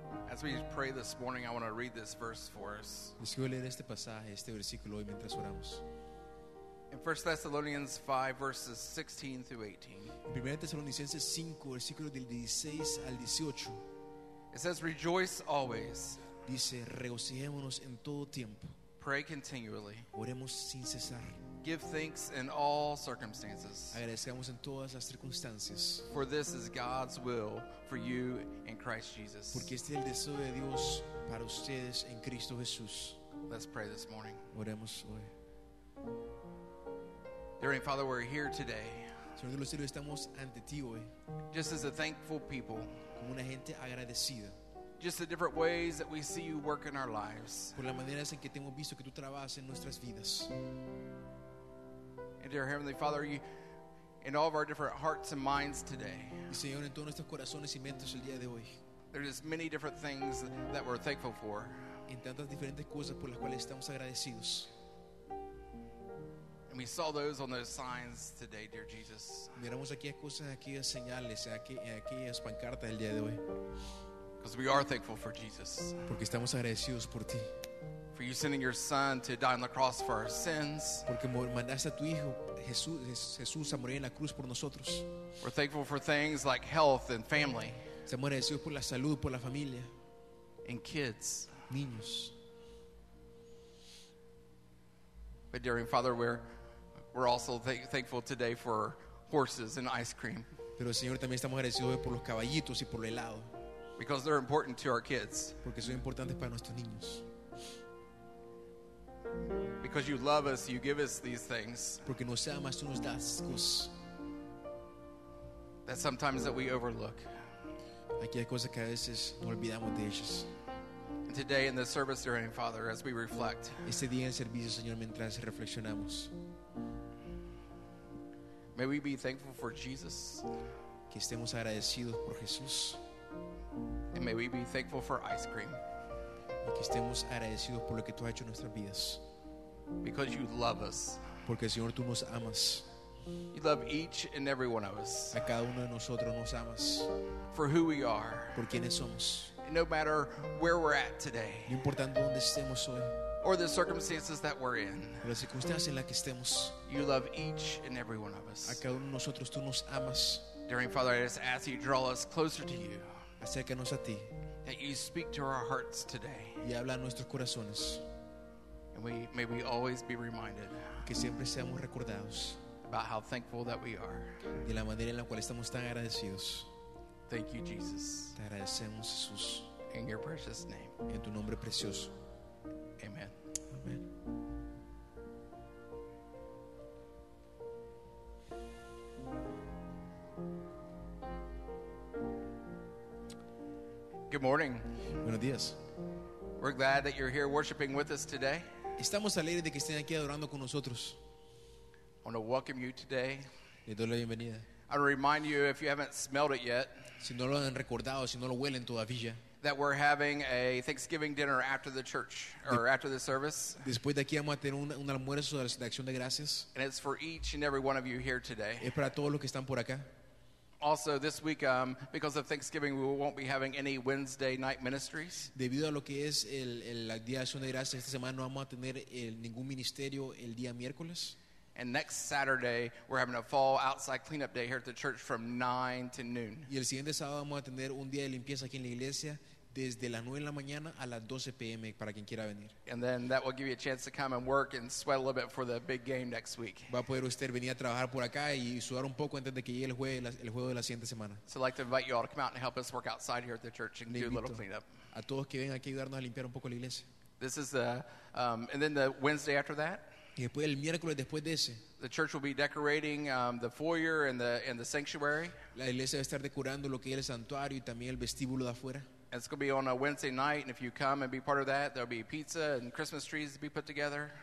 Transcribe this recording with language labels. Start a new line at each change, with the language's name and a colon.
English: As we pray this morning, I want to read this verse for us.
Spanish: Les quiero leer este pasaje, este versículo hoy mientras oramos.
English: In 1 Thessalonians 5, verses 16 through 18.
Spanish: En 1 Tesalonicenses 5, versículo del 16 al 18.
English: It says, rejoice always.
Spanish: Dice, regocijémonos en todo tiempo.
English: Pray continually.
Spanish: Oremos sin cesar.
English: Give thanks in all circumstances.
Spanish: Agradezcamos en todas las circunstancias.
English: For this is God's will for you in Christ Jesus.
Spanish: Porque este es el deseo de Dios para ustedes en Cristo Jesús.
English: Let's pray this morning.
Spanish: Oremos hoy.
English: Dear Heavenly Father, we're here today.
Spanish: Señor de los cielos, estamos ante ti hoy.
English: Just as a thankful people.
Spanish: Como una gente agradecida.
English: Just the different ways that we see you work in our lives.
Spanish: Por las maneras en que te hemos visto que tú trabajas en nuestras vidas.
English: And dear Heavenly Father, you, in all of our different hearts and minds today.
Spanish: Y Señor, en todos nuestros corazones y mentes el día de hoy.
English: There are just many different things that we're thankful for.
Spanish: En tantas diferentes cosas por las cuales estamos agradecidos.
English: We saw those on those signs today, dear Jesus.
Spanish: Miramos aquellas cosas, aquellas señales, aquellas pancartas del día de hoy.
English: Because we are thankful for Jesus.
Spanish: Porque estamos agradecidos por ti.
English: For you sending your Son to die on the cross for our sins.
Spanish: Porque mandaste a tu hijo Jesús a morir en la cruz por nosotros.
English: We're thankful for things like health and family.
Spanish: Estamos agradecidos por la salud, por la familia.
English: And kids.
Spanish: Niños.
English: But dear Father, we're also thankful today for horses and ice cream.
Spanish: Pero Señor, también estamos agradecidos por los caballitos y por el helado.
English: Because they're important to our kids.
Spanish: Porque son importantes para nuestros niños.
English: Because you love us, you give us these things.
Spanish: Porque nos amas, tú nos das cosas.
English: That sometimes that we overlook.
Spanish: Aquí hay cosas que a veces no olvidamos de ellas.
English: And today in the service, dear Heavenly Father, as we reflect.
Spanish: Este día en servicio, Señor, mientras reflexionamos.
English: May we be thankful for Jesus.
Spanish: Que estemos agradecidos por Jesús.
English: And may we be thankful for ice cream.
Spanish: Y que estemos agradecidos por lo que tú has hecho en nuestras vidas.
English: Because you love us.
Spanish: Porque, Señor, tú nos amas.
English: You love each and every one of us.
Spanish: A cada uno de nosotros nos amas.
English: For who we are.
Spanish: Por quienes somos.
English: No matter where we're at today.
Spanish: No importa dónde estemos hoy.
English: Or the circumstances that we're in.
Spanish: Las circunstancias en las que estemos.
English: You love each and every one of us.
Spanish: A cada uno de nosotros tú nos amas.
English: Dearing Father, I just ask you to draw us closer to you.
Spanish: Acércanos a ti.
English: That you speak to our hearts today.
Spanish: Y habla a nuestros corazones.
English: And we may we always be reminded.
Spanish: Que siempre seamos recordados.
English: About how thankful that we are.
Spanish: De la manera en la cual estamos tan agradecidos.
English: Thank you, Jesus.
Spanish: Te agradecemos, Jesús.
English: In your precious name.
Spanish: En tu nombre precioso.
English: Amen.
Spanish: Amen.
English: Good morning.
Spanish: Buenos días.
English: We're glad that you're here worshiping with us today.
Spanish: Estamos alegres de que estén aquí adorando con nosotros.
English: I want to welcome you today.
Spanish: Les doy la bienvenida.
English: I want to remind you, if you haven't smelled it yet,
Spanish: si no lo han recordado, si no lo huelen todavía,
English: that we're having a Thanksgiving dinner after the church or after the service.
Spanish: Después de aquí vamos a tener un almuerzo de acción de gracias.
English: And it's for each and every one of you here today.
Spanish: Es para todos los que están por acá.
English: Also, this week, because of Thanksgiving, we won't be having any Wednesday night ministries.
Spanish: Debido a lo que es el día de acción de gracias esta semana, no vamos a tener ningún ministerio el día miércoles.
English: And next Saturday, we're having a fall outside cleanup day here at the church from 9 to noon.
Spanish: Y el siguiente sábado vamos a tener un día de limpieza aquí en la iglesia desde las 9 de la mañana a las 12 p.m. para quien quiera venir.
English: And then that will give you a chance to come and work and sweat a little bit for the big game next week.
Spanish: Va a poder usted venir a trabajar por acá y sudar un poco antes de que llegue el juego de la siguiente semana.
English: So I'd like to invite you all to come out and help us work outside here at the church and do a little cleanup.
Spanish: A todos que vengan aquí a ayudarnos a limpiar un poco la iglesia.
English: This is the and then the Wednesday after that.
Spanish: Y después el miércoles después de ese.
English: The church will be decorating the foyer and the sanctuary.
Spanish: La iglesia va a estar decorando lo que es el santuario y también el vestíbulo de afuera.
English: It's going to be on a Wednesday night, and if you come and be part of that, there'll be pizza and Christmas trees to be put together.